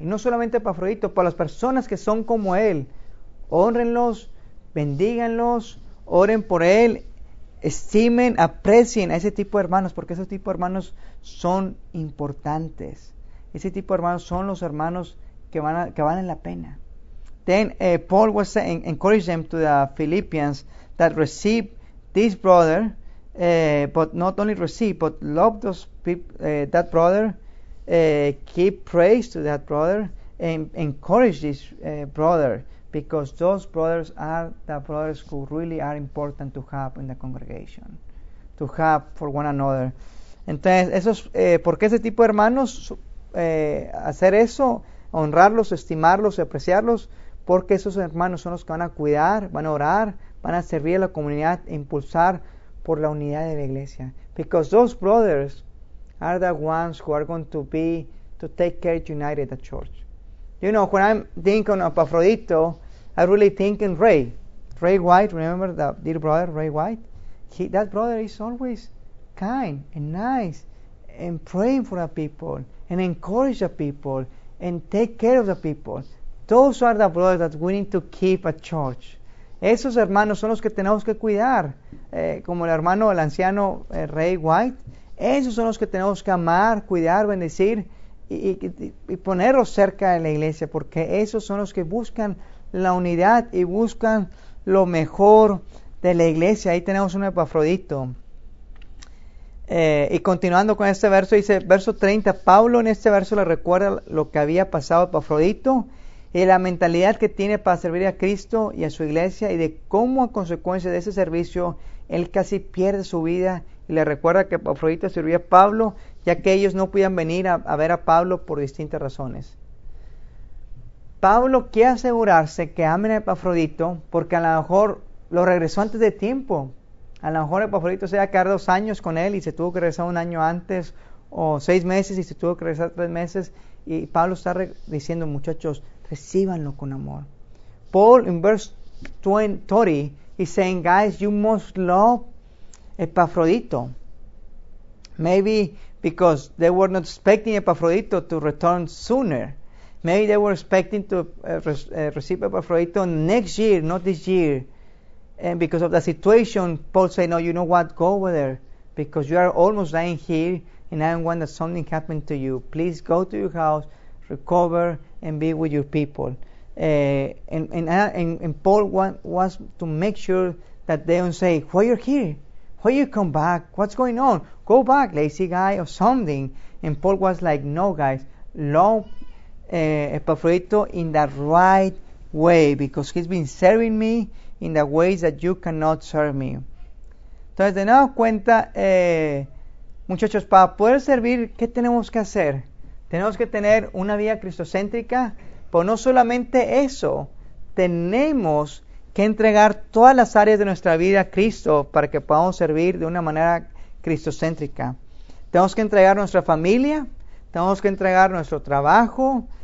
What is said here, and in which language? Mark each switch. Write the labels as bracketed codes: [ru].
[es] Y no solamente a Epafrodito, para las personas que son como él. Honrenlos, bendíganlos, oren por él, estimen, aprecien a ese tipo de hermanos, porque ese tipo de hermanos son importantes. Ese tipo de hermanos son los hermanos que valen la pena. [en] Then Paul was saying, encourage them to the Philippians that receive this brother, but not only receive, but love those that brother, keep praise to that brother, and encourage this brother, because those brothers are the brothers who really are important to have in the congregation, to have for one another. [es] Entonces, esos, ¿por qué ese tipo de hermanos hacer eso, honrarlos, estimarlos, apreciarlos? Porque esos hermanos son los que van a cuidar, van a orar, van a servir a la comunidad e impulsar por la unidad de la iglesia. [en] Because those brothers are the ones who are going to be to take care of united the church. You know, when I'm thinking of Aphrodite, I really think in Ray. Ray White, remember the dear brother, Ray White? He, that brother is always kind and nice and praying for the people and encourage the people and take care of the people. Those are the brothers that we need to keep at church. [es] Esos hermanos son los que tenemos que cuidar, como el hermano, el anciano Ray White. Esos son los que tenemos que amar, cuidar, bendecir y ponerlos cerca de la iglesia, porque esos son los que buscan la unidad y buscan lo mejor de la iglesia. Ahí tenemos un Epafrodito. Y continuando con este verso, dice verso 30, Pablo en este verso le recuerda lo que había pasado a Epafrodito y la mentalidad que tiene para servir a Cristo y a su iglesia, y de cómo a consecuencia de ese servicio, él casi pierde su vida, y le recuerda que Epafrodito sirvió a Pablo, ya que ellos no podían venir a ver a Pablo por distintas razones. Pablo quiere asegurarse que amen a Epafrodito, porque a lo mejor lo regresó antes de tiempo, a lo mejor Epafrodito se iba a quedar 2 años con él, y se tuvo que regresar 1 año antes, o 6 meses, y se tuvo que regresar 3 meses, y Pablo está diciendo, muchachos, recíbanlo con amor. [en] Paul, in verse 20, he's saying, guys, you must love Epafrodito. Maybe because they were not expecting Epafrodito to return sooner. Maybe they were expecting to receive Epafrodito next year, not this year. And because of the situation, Paul said, no, you know what, go over there. Because you are almost dying here, and I don't want that something happened to you. Please go to your house, recover, and be with your people. And Paul wants to make sure that they don't say, why you're here? Why you come back? What's going on? Go back, lazy guy, or something. And Paul was like, no, guys, love Epafrodito in the right way, because he's been serving me in the ways that you cannot serve me. [es] Entonces, de nuevo cuenta, muchachos, para poder servir, ¿qué tenemos que hacer? Tenemos que tener una vida cristocéntrica, pero no solamente eso, tenemos que entregar todas las áreas de nuestra vida a Cristo para que podamos servir de una manera cristocéntrica. Tenemos que entregar nuestra familia, tenemos que entregar nuestro trabajo,